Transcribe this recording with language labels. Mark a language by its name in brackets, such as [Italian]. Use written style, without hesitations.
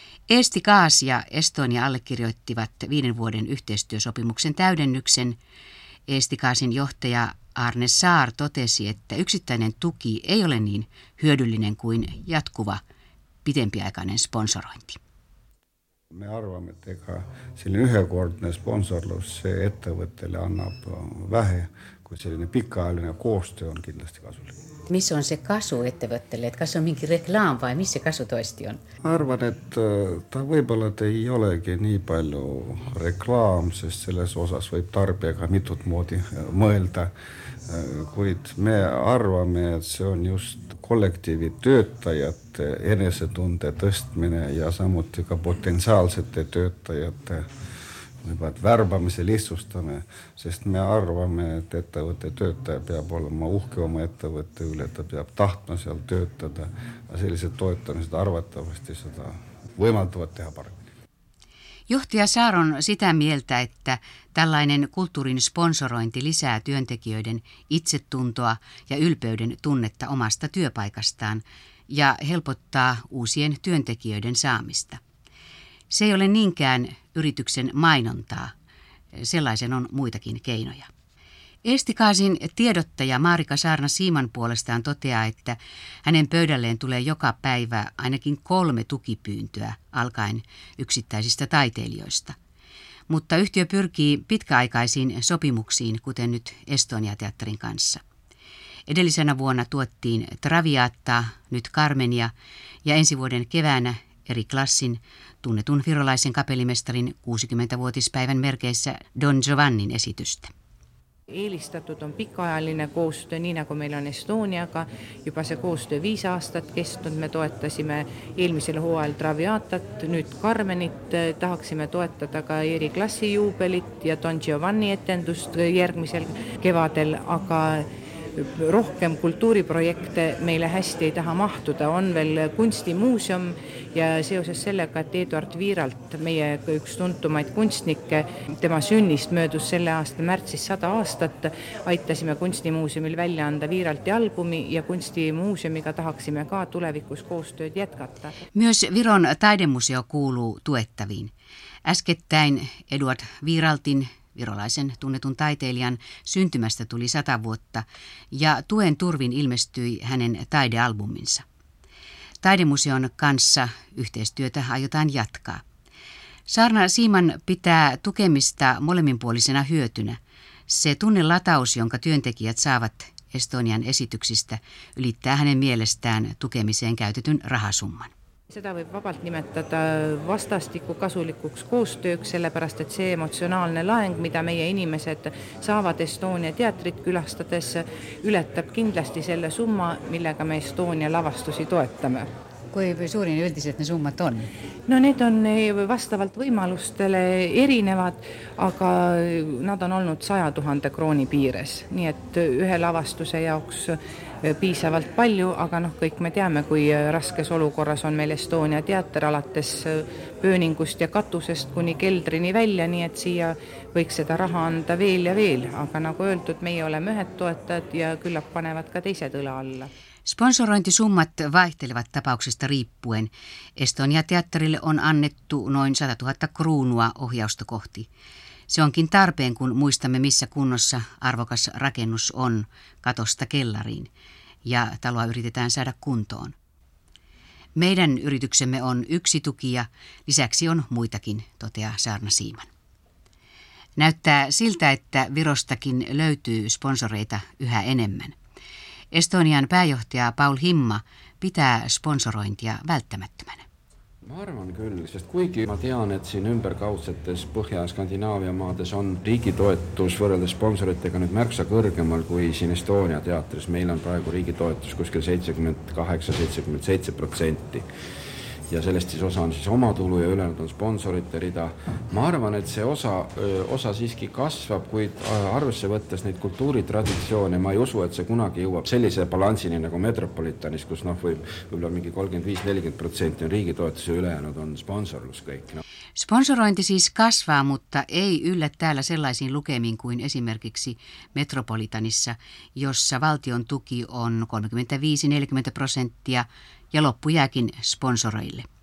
[Finnish] Eesti Kaas ja Estonia allekirjoittivat 5 vuoden yhteistyösopimuksen täydennyksen. Eesti Kaasin johtaja Arne Saar totesi, että yksittäinen tuki ei ole niin hyödyllinen kuin jatkuva, pitempiaikainen sponsorointi. [Estonian] Me arvamme, että ka selline ühekordne sponsorlus see ettevõttele annab vähe, kui selline pikaajaline koostöö on kindlasti kasulik. Mis on see kasu ettevõttele? Et kas on mingi reklaam vai mis see kasu toesti on? Ma arvan, et ta võibolla ei olegi nii palju reklaam, sest selles osas võib tarbijaga mitut moodi mõelda. Kuid me arvame, et see on just kollektiivi töötajate enesetunde tõstmine ja samuti ka potentsiaalsete töötajate värbamise lihtsustame, sest me arvame, et ettevõtte töötaja peab olema uhke oma ettevõtte üle, ta peab tahtma seal töötada ja sellised toetamised arvatavasti seda võimaltavad teha paremmin. [Finnish] Johtaja Saar on sitä mieltä, että tällainen kulttuurin sponsorointi lisää työntekijöiden itsetuntoa ja ylpeyden tunnetta omasta työpaikastaan ja helpottaa uusien työntekijöiden saamista. Se ei ole niinkään yrityksen mainontaa. Sellaisen on muitakin keinoja. Eesti Kaasin tiedottaja Marika Saarna Siiman puolestaan toteaa, että hänen pöydälleen tulee joka päivä ainakin 3 tukipyyntöä alkaen yksittäisistä taiteilijoista. Mutta yhtiö pyrkii pitkäaikaisiin sopimuksiin, kuten nyt Estonia-teatterin kanssa. Edellisenä vuonna tuottiin Traviata, nyt Carmenia, ja ensi vuoden keväänä Eri Klassin tunnetun virolaisen kapellimestarin 60-vuotispäivän merkeissä Don Giovannin esitystä. [Estonian] Eelistatud on pikaajaline koostöö, nii nagu meil on Estoniaga. Juba see koostöö 5 aastat kestnud. Me toetasime eelmisel hooajal Traviatat, nüüd Carmenit. Tahaksime toetada ka Eri Klassi juubelit ja Don Giovanni etendust järgmisel kevadel. Aga rohkem kultuuriprojekte meile hästi ei taha mahtuda. On veel kunstimuuseum ja seoses sellega, et Eduard Viiralt, meie üks tuntumaid kunstnike, tema sünnist möödus selle aasta märtsis 100 aastat, aitasime kunstimuuseumil välja anda Viiralti albumi ja kunstimuuseumiga tahaksime ka tulevikus koostööd jätkata. [Finnish] Myös Viron taidemuseo kuuluu tuettaviin. Äskettäin Eduard Viiraltin virolaisen tunnetun taiteilijan syntymästä tuli 100 vuotta ja tuen turvin ilmestyi hänen taidealbuminsa. Taidemuseon kanssa yhteistyötä aiotaan jatkaa. Saarna Siiman pitää tukemista molemminpuolisena hyötynä. Se tunnelataus, jonka työntekijät saavat Estonian esityksistä, ylittää hänen mielestään tukemiseen käytetyn rahasumman. [Estonian] Seda võib vabalt nimetada vastastiku kasulikuks koostööks, sellepärast et see emotsionaalne laeng, mida meie inimesed saavad Estonia teatrit külastades, ületab kindlasti selle summa, millega me Estonia lavastusi toetame. Kui suurin üldiselt need summad on? No need on vastavalt võimalustele erinevad, aga nad on olnud 100 000 krooni piires. Nii et ühe lavastuse jaoks piisavalt palju, aga noh, kõik me teame, kui raskes olukorras on meil Estonia teater alates pööningust ja katusest kuni keldrini välja, nii et siia võiks seda raha anda veel ja veel. Aga nagu öeldud, meie oleme ühed toetajad ja küllap panevad ka teised õla alla. [Finnish] Sponsorointisummat vaihtelevat tapauksesta riippuen. Estonia teatterille on annettu noin 100 000 kruunua ohjausta kohti. Se onkin tarpeen, kun muistamme, missä kunnossa arvokas rakennus on katosta kellariin ja taloa yritetään saada kuntoon. Meidän yrityksemme on yksi tuki ja lisäksi on muitakin, toteaa Saarna Siiman. Näyttää siltä, että Virostakin löytyy sponsoreita yhä enemmän. Estonian pääjohtaja Paul Himma pitää sponsorointia välttämättömänä. [Estonian] Ma arvan kyllä, sest kuigi ma tean, et siin ümberkaudsetes Põhja-Skandinaavia maades on riigitoetus võrreldes sponsoritega nüüd märksa kõrgemal kui siin Estonia teatris. Meil on praegu riigitoetus kuskil 78-77%. Ja sellest siis osa on siis oma tulu ja ülejäänud on sponsorite rida. Ma arvan, et see osa siiski kasvab, kuid arvesse võttes neid kultuuritraditsioone. Ma ei usu, et see kunagi jõuab sellise balansini nagu Metropolitanis, kus noh, võib-olla mingi 35-40% on riigitoetus ja ülejäänud on sponsorlus kõik. No. [Finnish] Sponsorointi siis kasvaa, mutta ei yllä täällä sellaisiin lukemiin kuin esimerkiksi Metropolitanissa, jossa valtion tuki on 35-40% ja loppu jääkin sponsoreille.